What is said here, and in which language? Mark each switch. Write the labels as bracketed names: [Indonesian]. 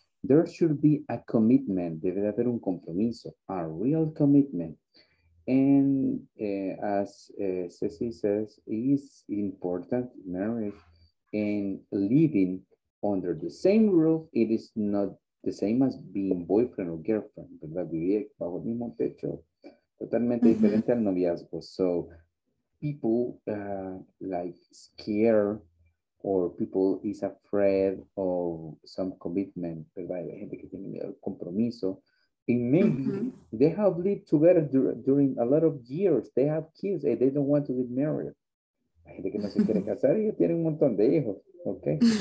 [English] There should be a commitment, [Spanish] debe de haber un compromiso, [English] a real commitment. And as Ceci says, is important marriage and living under the same roof, it is not the same as being boyfriend or girlfriend, ¿verdad? [Spanish] Vivir bajo el mismo techo, totalmente mm-hmm. diferente al noviazgo. [English] So people like scare, or people is afraid of some commitment, ¿verdad? [Spanish] Gente que tiene miedo al compromiso. [English] And maybe [Spanish] mm-hmm. [English] they have lived together during a lot of years. They have kids and they don't want to be married. [Spanish] Hay gente que no se quiere casar y tiene un montón de hijos, okay?